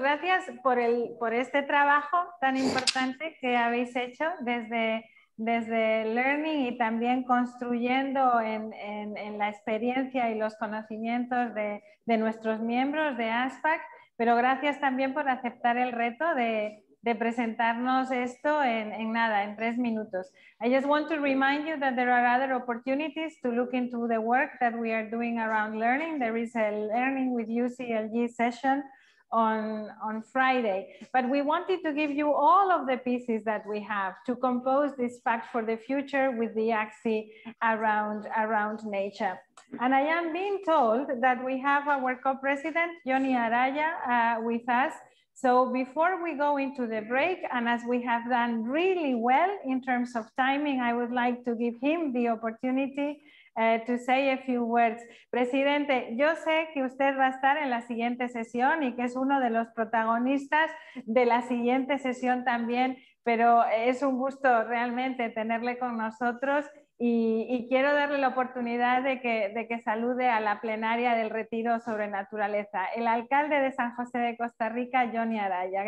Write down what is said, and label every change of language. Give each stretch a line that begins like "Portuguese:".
Spanish: Gracias por este trabajo tan importante que habéis hecho desde Learning y también construyendo en la experiencia y los conocimientos de nuestros miembros de ASPAC. Pero gracias también por aceptar el reto de presentarnos esto en 3 minutos.
English: I just want to remind you that there are other opportunities to look into the work that we are doing around learning. There is a Learning with UCLG session on Friday. But we wanted to give you all of the pieces that we have to compose this pact for the future with the AXI around nature. And I am being told that we have our co-president, Johnny Araya, with us. So before we go into the break, and as we have done really well in terms of timing, I would like to give him the opportunity to say a few words.
Spanish: Presidente, yo sé que usted va a estar en la siguiente sesión y que es uno de los protagonistas de la siguiente sesión también, pero es un gusto realmente tenerle con nosotros y quiero darle la oportunidad de que salude a la plenaria del Retiro sobre Naturaleza, el alcalde de San José de Costa Rica, Johnny Araya.